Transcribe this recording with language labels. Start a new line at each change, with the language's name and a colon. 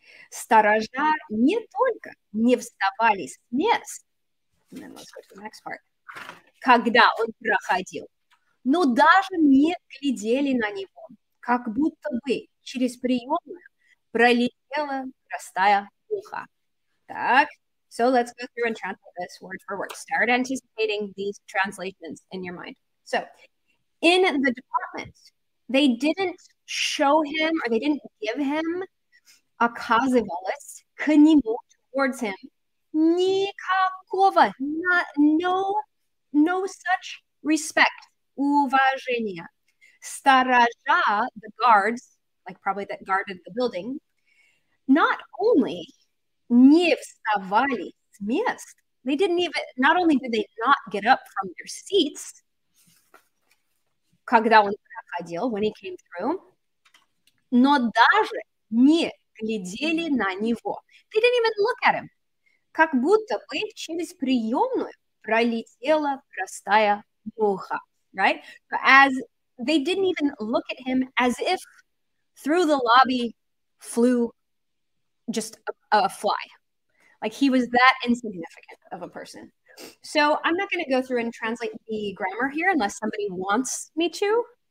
Russian: Сторожа не только не вставали с мест,
English: and then let's go to the next part,
Russian: когда он проходил, но даже не глядели на него, как будто бы через приемную пролетела простая муха. Так.
English: So let's go through and translate this word for word. Start anticipating these translations in your mind. So in the department, they didn't show him or they didn't give him a
Russian: оказывалось к нему
English: towards him.
Russian: Никакого,
English: no such respect.
Russian: Уважение. Сторожа,
English: the guards, like probably that guarded the building, not only
Russian: не вставали с мест.
English: They didn't even, not only did they not get up from their seats,
Russian: когда он проходил,
English: when he came through,
Russian: но даже не глядели на него.
English: They didn't even look at him.
Russian: Как будто бы через приемную пролетела простая муха, right?
English: As they didn't even look at him, as if through the lobby flew just a fly. Like he was that insignificant of a person. So I'm not going to go through and translate the grammar here unless somebody wants me to.